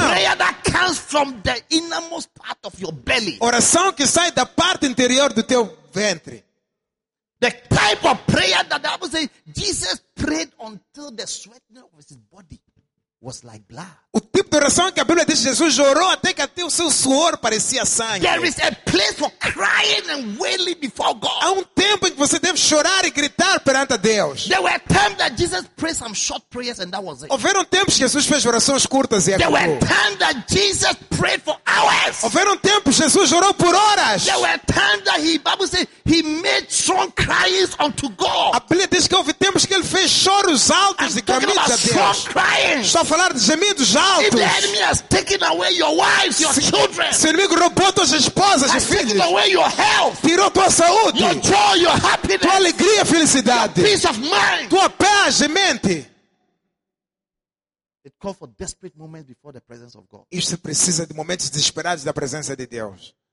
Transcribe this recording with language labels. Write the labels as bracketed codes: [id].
[en] Prayer that comes from the innermost part of your belly. [pt] Oração que sai da parte interior do teu ventre. [en] The type of prayer that the Bible says Jesus prayed until the sweatness of his body was like blood. [pt] O tipo de oração que a Bíblia diz que Jesus orou até o seu suor parecia sangue. [en] There is a place for crying and wailing before God. [pt] Há tempo em que você deve chorar e gritar perante a Deus. [en] There were times that Jesus prayed some short prayers and that was it. [pt] Houveram tempos que Jesus fez orações curtas e acabou. [en] There were times that Jesus prayed for hours. [pt] Houveram tempos que Jesus orou por horas. [en] There were times that the Bible says he made strong cries unto God. [pt] A Bíblia diz que houve tempos que ele fez choros altos [en] I'm [pt] e gemidos a Deus. [en] Strong crying. [pt] Estou a falar de gemidos altos. [en] If the enemy has taken away your wives, your children. [pt] Se o inimigo roubou tuas esposas e filhos. [en] Taken away your health. [pt] Tirou tua saúde. [en] Your joy, your happiness. [pt] Tua alegria e felicidade. [en] Your peace of mind. [pt] Tua paz e mente. [en] It calls for desperate moments before the presence of God. [pt] Isso precisa de momentos desesperados da presença de Deus.